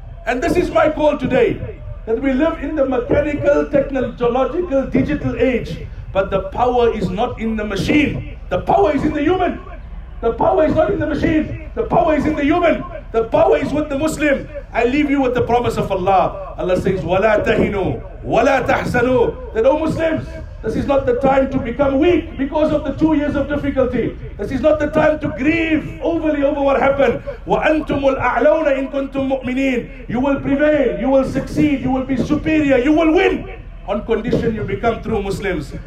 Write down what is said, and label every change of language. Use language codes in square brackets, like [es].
[en] And this is my call today. That we live in the mechanical, technological, digital age. But the power is not in the machine. The power is in the human. The power is not in the machine. The power is in the human. The power is with the Muslim. I leave you with the promise of Allah. Allah says, [ar] وَلَا تَهِنُوا وَلَا تَحْزَنُوا. [en] That, O Muslims, this is not the time to become weak because of the 2 years of difficulty. This is not the time to grieve overly over what happened. [ar] وَأَنْتُمُ الْأَعْلَوْنَ إِن كُنْتُم مُؤْمِنِينَ. [en] You will prevail, you will succeed, you will be superior, you will win on condition you become true Muslims.